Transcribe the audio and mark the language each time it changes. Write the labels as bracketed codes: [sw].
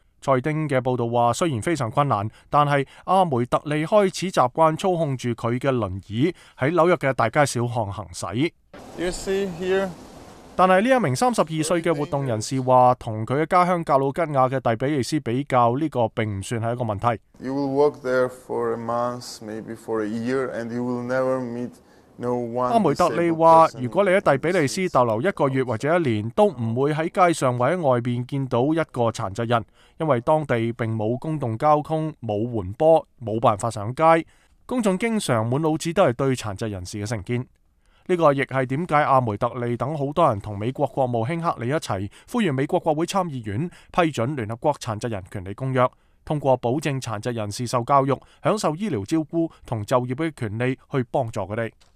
[zh] 蔡丁的报道说，虽然非常困难，但是阿梅特利开始习惯操控着他的轮椅在纽约的大街小巷行驶。但是这名32岁的活动人士说，和他的家乡格鲁吉亚的蒂比利斯比较，这个并不算是一个问题。 [en] You will work there for a month, maybe for a year, and you will never meet no one. [zh] 阿梅特利说，如果你在蒂比利斯逗留一个月或者一年，都不会在街上或者外面见到一个残疾人，因为当地并没有公共交通，没有缓坡，没办法上街。公众经常满脑子都是对残疾人士的成见。这个亦是为什么阿梅特利等很多人同美国国务卿克里一起呼吁美国国会参议院批准联合国残疾人权利公约，通过保证残疾人士受教育、享受医疗照顾和就业的权利去帮助他们。